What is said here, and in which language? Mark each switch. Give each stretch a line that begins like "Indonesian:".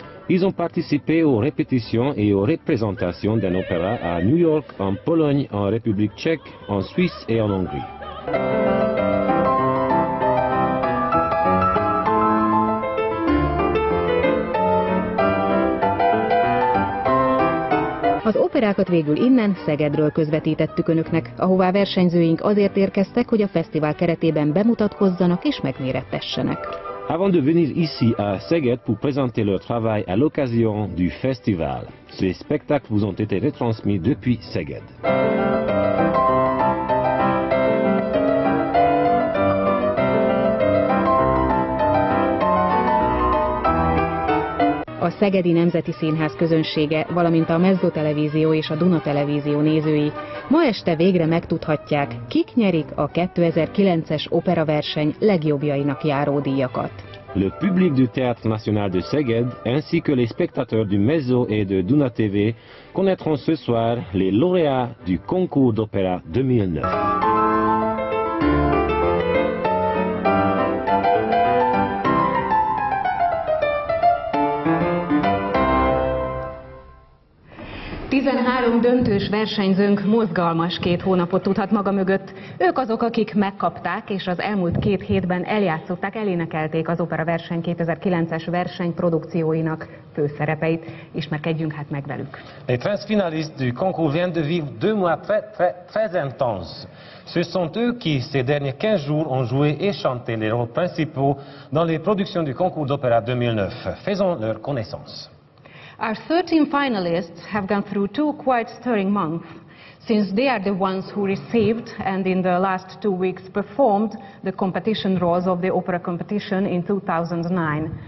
French: Ils ont participé aux répétitions et aux représentations d'un opéra à New York, en Pologne, en République tchèque, en Suisse et en Hongrie.
Hungarian: Az operákat végül innen Szegedről közvetítettük Önöknek, ahová versenyzőink azért érkeztek, hogy a fesztivál keretében bemutatkozzanak és megmérettessenek.
French: Avant de venir ici à Szeged pour présenter leur travail à l'occasion du festival, ces spectacles vous ont été retransmis depuis Szeged.
Hungarian: A Szegedi Nemzeti Színház közönsége, valamint a Mezzo Televízió és a Duna Televízió nézői ma este végre megtudhatják, kik nyerik a 2009-es operaverseny legjobbjainak járó díjakat.
French: Le public du Théâtre National de Szeged, ainsi que les spectateurs du Mezzo et de Duna TV, connaîtront ce soir les lauréats du concours d'opéra 2009.
Hungarian: Döntős versenyzőnk mozgalmas két hónapot tudhat maga mögött. Ők azok, akik megkapták, és az elmúlt két hétben eljátszották, elénekelték az Opera Verseny 2009-es versenyprodukcióinak főszerepeit. Ismerkedjünk hát meg velük.
French: Les 13 finalistes du concours viennent de vivre deux mois très intenses. Ce sont eux qui, ces derniers 15 jours, ont joué et chanté les rôles principaux dans les productions du concours d'opéra 2009. Faisons leur connaissance.
English: Our 13 finalists have gone through two quite stirring months, since they are the ones who received and in the last 2 weeks performed the competition roles of the opera competition in 2009.